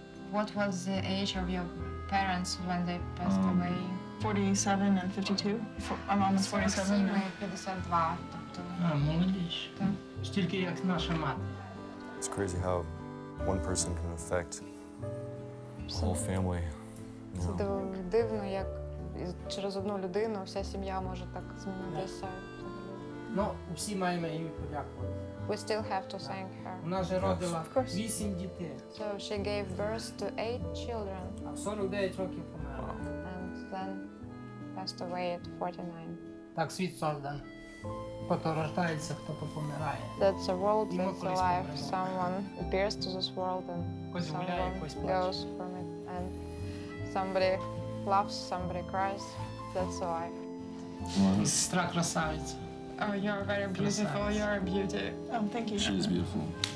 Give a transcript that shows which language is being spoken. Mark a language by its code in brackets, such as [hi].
[en] What was the age of your parents when they passed away? 47 and 52. My mom was 47. [uk] Сіми 52, тобто. А, молодіж. Стільки, як наша мати. [en] It's crazy how one person can affect a whole family. [uk] Це дивно, як через одну людину вся сім'я може так змінитися. Ну, всі маємо їй подякувати. [en] We still have to thank her. [uk] Вона вже родила 8 дітей. [en] So she gave birth to 8 children. [uk] 49 років померла. [en] And then passed away at 49. [uk] Так світ создан. Хто рождається, хто помирає. [en] That's a world, that's a life. Someone appears to this world and someone goes from it. And somebody loves, somebody cries, that's life. [ru] Сестра красавица. [en] Oh, you're very beautiful. You're a beauty. Oh, thank you. She is beautiful.